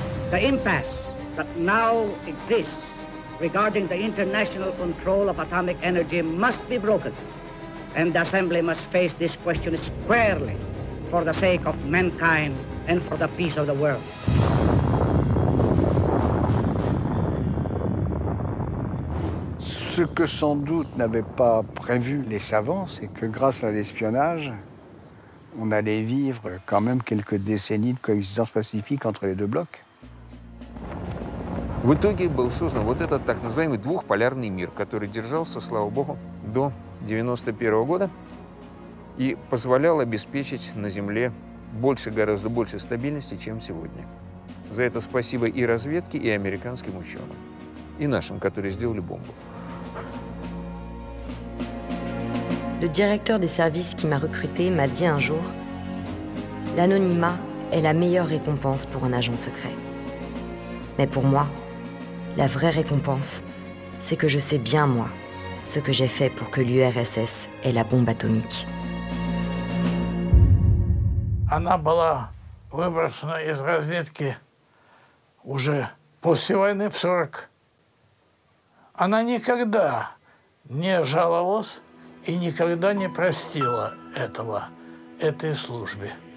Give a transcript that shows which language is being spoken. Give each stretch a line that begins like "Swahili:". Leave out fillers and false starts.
English: The impasse that now exists regarding the international control of atomic energy must be broken, and the Assembly must face this question squarely for the sake of mankind and for the peace of the world.
French: Ce que sans doute n'avaient pas prévu les savants, c'est que grâce à l'espionnage, on allait vivre quand même quelques décennies de coexistence pacifique entre les deux blocs.
Russian: В итоге был создан вот этот так называемый двухполярный мир, который держался, слава богу, до 1991 года и позволял обеспечить на Земле больше, гораздо больше стабильности, чем сегодня. За это спасибо и разведке, и американским ученым, и нашим, которые сделали бомбу.
French: Le directeur des services qui m'a recruté m'a dit un jour: l'anonymat est la meilleure récompense pour un agent secret. Mais pour moi, la vraie récompense, c'est que je sais bien, moi, ce que j'ai fait pour que l'URSS ait la bombe atomique.
Russian: Она была выброшена из разведки уже после войны в 40. Она никогда не жаловалась и никогда не простила этого, этой службе.